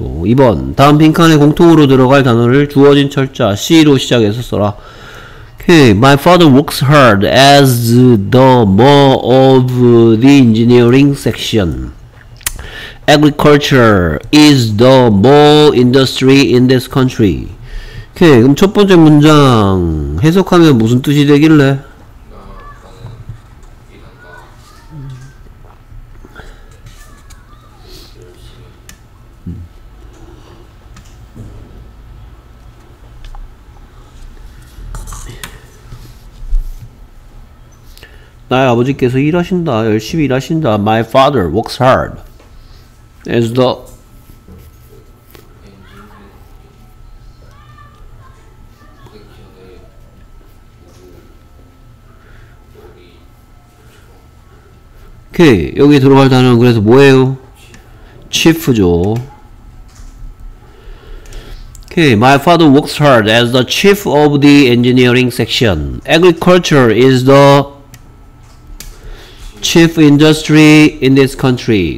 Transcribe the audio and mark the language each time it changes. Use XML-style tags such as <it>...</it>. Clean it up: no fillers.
<ko>2번 다음 빈칸에 공통으로 들어갈 단어를 주어진 철자 C로 시작해서 써라.</ko> <en>Okay, my father works hard as the more of the engineering section. Agriculture is the more industry in this country.</en> <ko>오케이, 그럼 첫 번째 문장 해석하면 무슨 뜻이 되길래? 나의 아버지께서 일하신다, 열심히 일하신다.</ko> <en>My father works hard as the</en> <ko>오케이. 여기 들어갈 단어는 그래서 뭐예요? Chief죠. 오케이.</ko> <en>My father works hard as the chief of the engineering section. Agriculture is the chief industry in this country.</en>